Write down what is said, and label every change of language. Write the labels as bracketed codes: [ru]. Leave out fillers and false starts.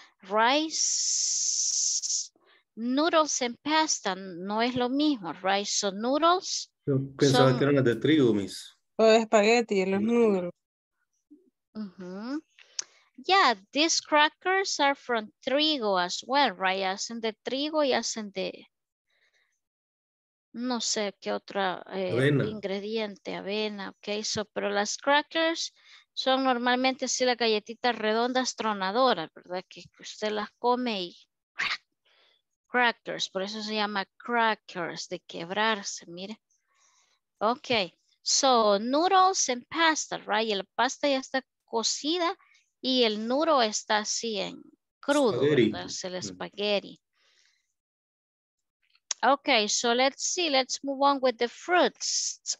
[en] Rice, noodles and pasta, [es] no es lo mismo, [en] right? So noodles. [es] Yo pensaba que eran de trigo, mis. O espagueti, los noodles. Mm-hmm. [en] Yeah, these crackers are from trigo as well, right? [es] Hacen de trigo y hacen de, no sé qué otra ingrediente, avena, okay? So, pero las crackers son normalmente así las galletitas redondas tronadoras, ¿verdad? Que usted las come y crackers, por eso se llama crackers, de quebrarse, mire. [en] Okay, so noodles and pasta, right? [es] El pasta ya está cocida y el noodle está así en crudo, es el espagueti. [en] Okay, so let's see, let's move on with the fruits.